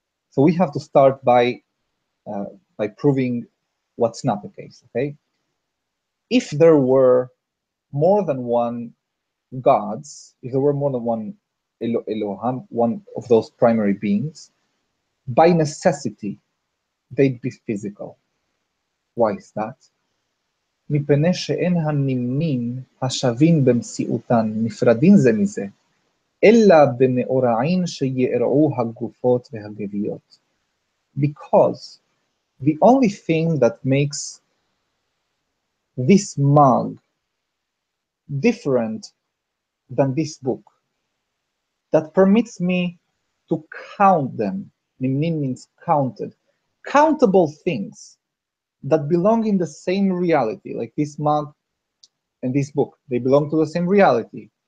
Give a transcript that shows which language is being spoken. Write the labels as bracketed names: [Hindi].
[English] So we have to start by proving what's not the case, okay? If there were more than one gods, if there were more than one Elohim, one of those primary beings, by necessity, they'd be physical. Why is that? [Hebrew] מפני שאין הנימנים השווים במציאותן נפרדים זה מזה, אלא במאורעין שיערעו הגופות והגביות. [English] Because the only thing that makes this mug different than this book, that permits me to count them, nimnin means counted, countable things that belong in the same reality, like this mug and this book, they belong to the same reality.